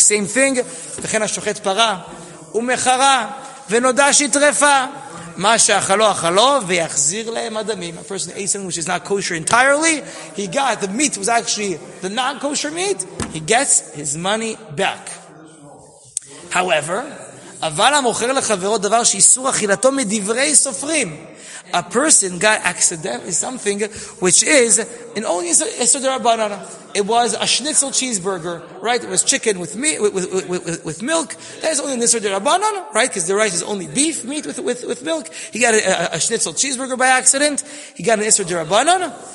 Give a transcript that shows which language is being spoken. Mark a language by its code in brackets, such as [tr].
[en] Same thing, [he] וכן השוחט פרה, ומחרה, ונודע שיתרפה, מה שאכלו אכלו, ויחזיר להם אדמים. [en] A person ate something which is not kosher entirely, he got the meat, was actually the non-kosher meat, he gets his money back. [he] However, אבל המוכר לחברו דבר שאיסור אכילתו מדברי סופרים. [en] A person got accidentally something which is an only Esoder Abanan. It was a schnitzel cheeseburger, right? It was chicken with meat, with milk. That is only an Esoder Abanan, right? Because the rice is only beef, meat with milk. He got a schnitzel cheeseburger by accident. He got an Esoder Abanan.